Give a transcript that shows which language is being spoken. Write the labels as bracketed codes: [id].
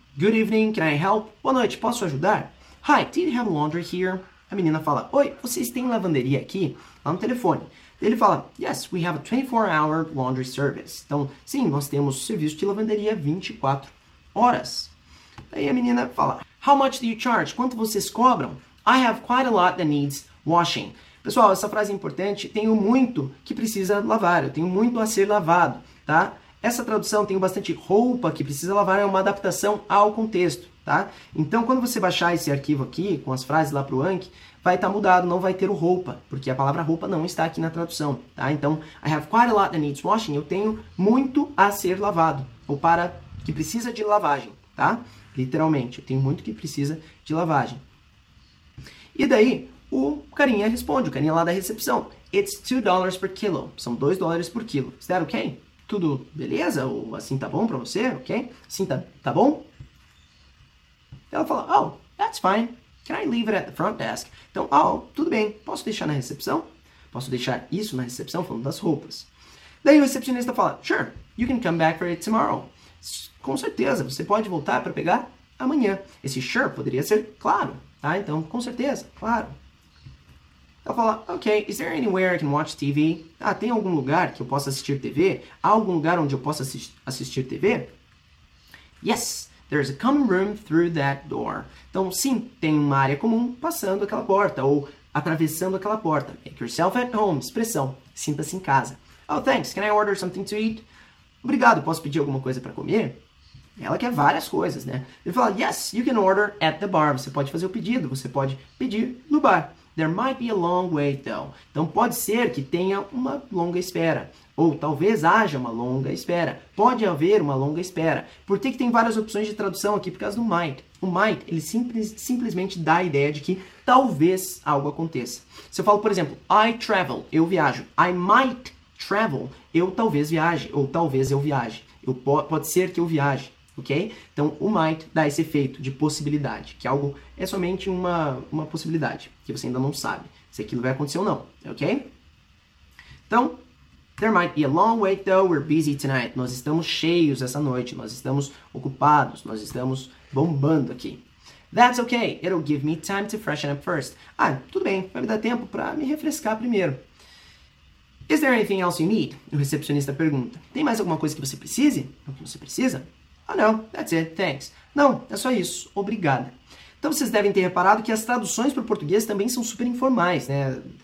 [en] Good evening, can I help? [pt] Boa noite, posso ajudar? [en] Hi, do you have laundry here? [pt] A menina fala, oi, vocês têm lavanderia aqui? Lá no telefone. [en] Ele fala, yes, we have a 24-hour laundry service. [pt] Então, sim, nós temos serviço de lavanderia 24 horas. Aí a menina fala, [en] how much do you charge? [pt] Quanto vocês cobram? [en] I have quite a lot that needs washing. [pt] Pessoal, essa frase é importante, tenho muito que precisa lavar, eu tenho muito a ser lavado, tá? Essa tradução, tenho bastante roupa que precisa lavar, é uma adaptação ao contexto, tá? Então, quando você baixar esse arquivo aqui, com as frases lá pro Anki, vai estar mudado, não vai ter o roupa, porque a palavra roupa não está aqui na tradução, tá? Então, [en] I have quite a lot that needs washing, [pt] eu tenho muito a ser lavado, ou para que precisa de lavagem, tá? Literalmente, eu tenho muito que precisa de lavagem. E daí, o carinha responde, o carinha lá da recepção, [en] it's $2 per kilo, [pt] são $2 por quilo, [en] is that okay? [pt] Tudo beleza? Ou assim tá bom pra você? Ok? Assim tá bom? Ela fala, [en] oh, that's fine. Can I leave it at the front desk? [pt] Então, oh, tudo bem. Posso deixar na recepção? Posso deixar isso na recepção falando das roupas. Daí o recepcionista fala, [en] sure, you can come back for it tomorrow. [pt] Com certeza, você pode voltar pra pegar amanhã. Esse sure poderia ser claro, tá? Então, com certeza, claro. [en] Ela fala, ok, is there anywhere I can watch TV? [pt] Ah, tem algum lugar que eu possa assistir TV? Há algum lugar onde eu possa assistir TV? [en] Yes, there's a common room through that door. [pt] Então, sim, tem uma área comum passando aquela porta ou atravessando aquela porta. [en] Make yourself at home, [pt] expressão, sinta-se em casa. [en] Oh, thanks, can I order something to eat? [pt] Obrigado, posso pedir alguma coisa para comer? Ela quer várias coisas, né? Ele fala, [en] yes, you can order at the bar. [pt] Você pode fazer o pedido, você pode pedir no bar. [en] There might be a long wait, though. [pt] Então, pode ser que tenha uma longa espera. Ou talvez haja uma longa espera. Pode haver uma longa espera. Por que tem várias opções de tradução aqui? Por causa do might. O might, ele simplesmente dá a ideia de que talvez algo aconteça. Se eu falo, por exemplo, [en] I travel, [pt] eu viajo. [en] I might travel, [pt] eu talvez viaje. Ou talvez eu viaje. Pode ser que eu viaje. Ok? Então, o might dá esse efeito de possibilidade, que algo é somente uma possibilidade, que você ainda não sabe se aquilo vai acontecer ou não. Ok? [en] Então, there might be a long wait though, we're busy tonight. [pt] Nós estamos cheios essa noite, nós estamos ocupados, nós estamos bombando aqui. [en] That's okay, it'll give me time to freshen up first. [pt] Ah, tudo bem, vai me dar tempo para me refrescar primeiro. [en] Is there anything else you need? [pt] O recepcionista pergunta. Tem mais alguma coisa que você precise? O que você precisa? [en] Oh, no, that's it, thanks. [pt] Não, é só isso, obrigada. Então vocês devem ter reparado que as traduções para o português também são super informais, né?